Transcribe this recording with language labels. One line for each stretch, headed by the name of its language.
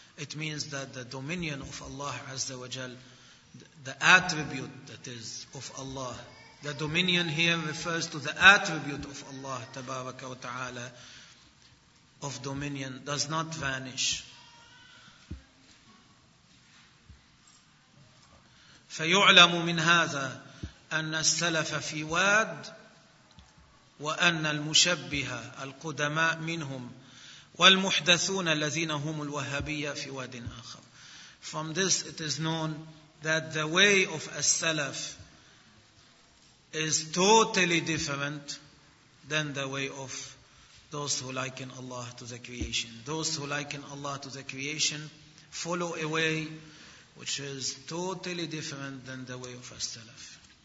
English: It means that the dominion of Allah, azza wa jal, the attribute that is of Allah. The dominion here refers to the attribute of Allah, tabaraka wa ta'ala, of dominion, does not vanish.
Arabic: فيعلم من هذا أن السلف في واد وأن المشبهة القدماء منهم والمحدثون الذين هم الوهابية في واد آخر.
English: From this it is known that the way of as-salaf is totally different than the way of those who liken Allah to the creation. Those who liken Allah to the creation follow a way which is totally different than the way of as-salaf.